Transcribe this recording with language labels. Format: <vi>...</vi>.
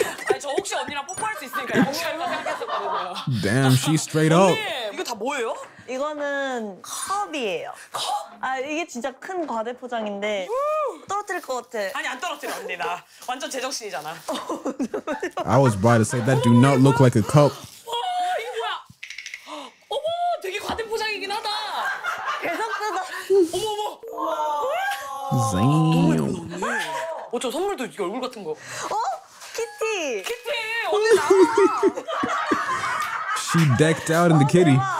<ko>아니 저 혹시 언니랑 뽀뽀할 수 있으니까 양치 한번 생각했었거든요.</ko> <en>Damn, she's straight up.</en> <ko>언니, 이거 다 뭐예요? 이거는 컵이에요. 컵? 아 이게 진짜 큰 과대 포장인데 떨어뜨릴 것 같아. 아니 안 떨어뜨려 언니 나 완전 제정신이잖아.</ko> <en>I was about to say that do not look like a cup.</en> <ko>와 이게 뭐야? 어머 되게 과대 포장이긴 하다. 계속 뜯어. 어머. 와. 잉. 어 저 선물도 이게 얼굴 같은 거. 어? 키티. 키티 언니 나와.</ko> <en>She decked out in the kitty.</en>